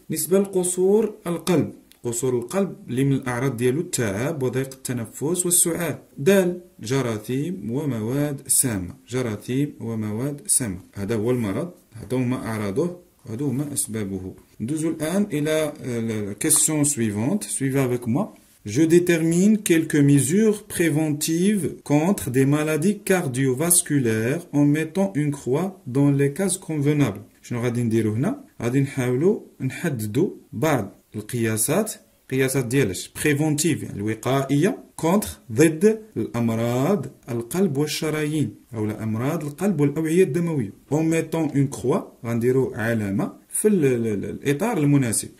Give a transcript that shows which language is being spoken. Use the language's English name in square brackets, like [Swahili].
[Arabic] نسبة لقصور القلب. قصور القلب اللي من الأعراض ديالو التعب وضيق التنفس والسعال. دال جراثيم ومواد سامة. جراثيم ومواد سامة، هذا هو المرض، هذا هما أعراضه، هذا هما أسبابه. ندوزو الآن إلى [French] question suivante. Suivez avec moi. Je détermine quelques mesures préventives contre des maladies cardiovasculaires en mettant une croix dans les cases convenables. [Arabic] شنو غادي نديرو هنا؟ غادي نحاولو نحددو بعض القياسات. قياسات ديالاش؟ بريفونتيف، يعني الوقائية، كونتر، ضد الأمراض القلب والشرايين أو أمراض القلب والأوعية الدموية. [French] أون ميتون أون كخوا، [Arabic] غنديرو علامة في الإطار المناسب.